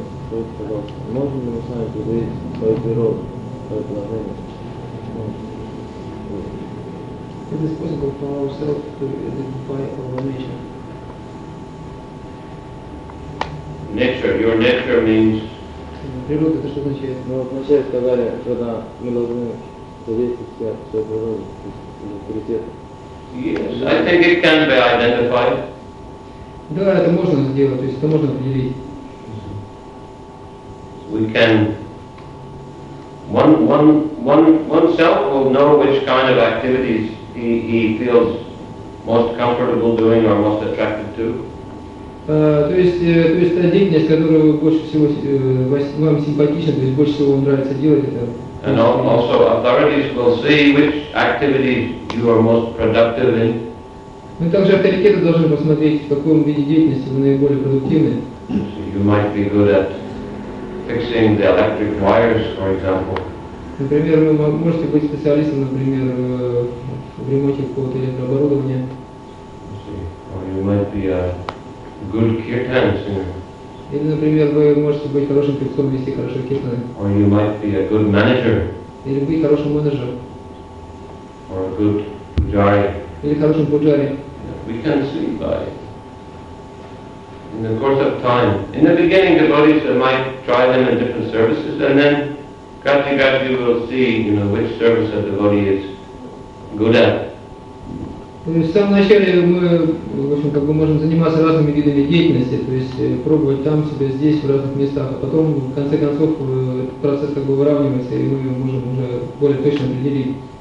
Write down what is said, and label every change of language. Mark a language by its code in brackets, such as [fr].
[ru] Можно ли мы с вами поговорить по бюро, по предложению? [en] Is it possible for ourselves to identify our nature? Nature, your nature means? [ru] Природа, это что означает? Ну, вначале сказали, что мы должны зависеть себя от своей природы, от авторитета. [en] Yes, I think it can be identified. [ru] Да, это можно сделать, то есть это можно определить. [en] We can... One self will know which kind of activities he feels most comfortable doing or most attracted to. [ru] То есть та деятельность, которую больше всего вам симпатична, то есть больше всего вам нравится делать это. [en] And also authorities will see which activity you are most productive in. [ru] Ну также авторитеты должны посмотреть, в каком виде деятельности вы наиболее продуктивны. [en] So you might be good at fixing the electric wires, for example. [ru] Например, вы можете быть специалистом, например, в ремонте какого-то электрооборудования. [en] Or you might be a good kirtan singer. [ru] Или, например, вы можете быть хорошим певцом, вести хорошие киртаны. [en] Or you might be a good manager. [ru] Или быть хорошим менеджером. [en] Or a good pujari. [ru] Или хорошим пуджари. [en] We can see by in the course of time. In the beginning, the devotees might try them in different services, and then gradually you will see, you know, which service a devotee is good at. [ru] То есть в самом начале мы, в общем, как бы можем заниматься разными видами деятельности, то есть пробовать там себя здесь, в разных местах, а потом в конце концов процесс как бы выравнивается, и мы можем уже более точно определить.